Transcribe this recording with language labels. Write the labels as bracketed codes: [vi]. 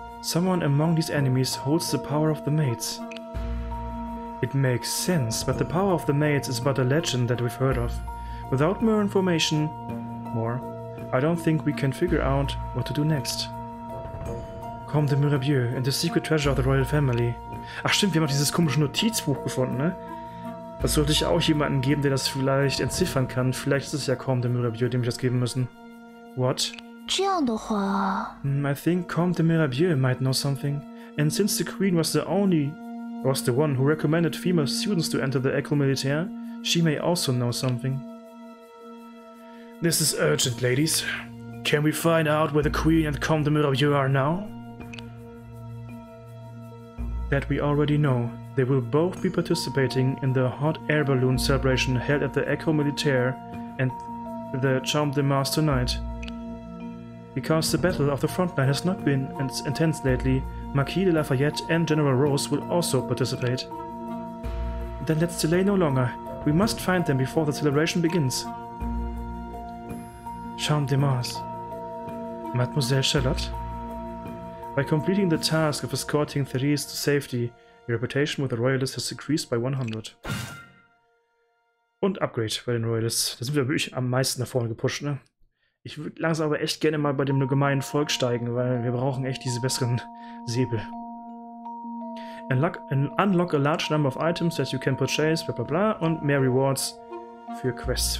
[en] Someone among these enemies holds the power of the maids. It makes sense, but the power of the maids is but a legend that we've heard of. Without more information, I don't think we can figure out what to do next. Comte de Mirabeau and the secret treasure of the royal family. [de] Ach stimmt, wir haben auch dieses komische Notizbuch gefunden, ne? Das sollte ich auch jemanden geben, der das vielleicht entziffern kann. Vielleicht ist es ja Comte de Mirabeau, dem ich das geben müssen. [en] What? I think Comte de Mirabeau might know something. And since the queen was the one who recommended female students to enter the École Militaire, she may also know something. This is urgent, ladies. Can we find out where the queen and Comte de Mirabeau are now? That we already know. They will both be participating in the hot air balloon celebration held at the École Militaire and the Charm de Mars tonight. Because the battle of the front line has not been as intense lately, Marquis de Lafayette and General Rose will also participate. Then let's delay no longer. We must find them before the celebration begins. Charm de Mars. Mademoiselle Charlotte? By completing the task of escorting Therese to safety, your reputation with the royalists has increased by 100. [de] Und Upgrade bei den Royalists. Da sind wir wirklich am meisten nach vorne gepusht, ne? Ich würde langsam aber echt gerne mal bei dem gemeinen Volk steigen, weil wir brauchen echt diese besseren Säbel. [en] Unlock a large number of items that you can purchase, bla bla bla, [de] und mehr Rewards für Quests.